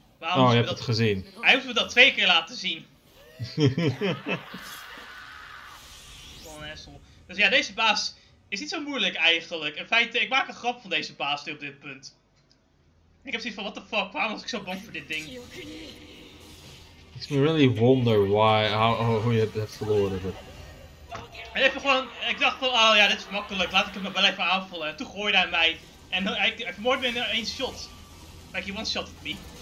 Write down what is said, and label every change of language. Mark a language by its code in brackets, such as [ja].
[nl] Waarom oh, je hebt dat... het gezien. Hij heeft me dat twee keer laten zien. Wat een asshole. Dus ja, deze baas is niet zo moeilijk eigenlijk. In feite, ik maak een grap van deze baas op dit punt. Ik heb zoiets van, [en] what the fuck, [nl] waarom was ik zo bang voor dit ding? [en] Makes me really wonder why, how you have verloren. But... [nl] En even gewoon, ik dacht van, oh ja, dit is makkelijk, laat ik hem wel even aanvallen. En toen gooide hij mij. En hij vermoordde me in één shot. [en] Like, he one-shot at me.